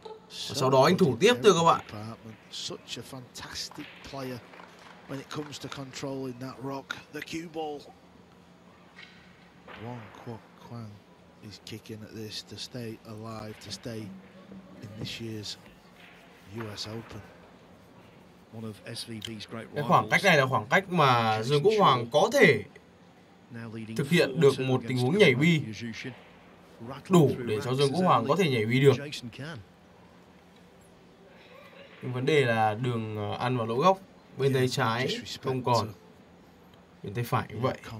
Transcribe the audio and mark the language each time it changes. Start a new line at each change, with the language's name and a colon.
Vietnamese: Và sau đó anh thủ tiếp thưa các bạn.
English: Such a fantastic player when it comes to controlling that rock, the cue ball. Wong Kwok Kwang is kicking at this to stay alive, to stay in this year's US Open. One of SVB's great rivals.
Vietnamese: Khoảng cách này là khoảng cách mà Dương Quốc Hoàng có thể thực hiện được một tình huống nhảy bi đủ để cho Dương Quốc Hoàng có thể nhảy bi được. Nhưng vấn đề là đường ăn vào lỗ góc bên tay trái không còn, bên tay phải cũng vậy.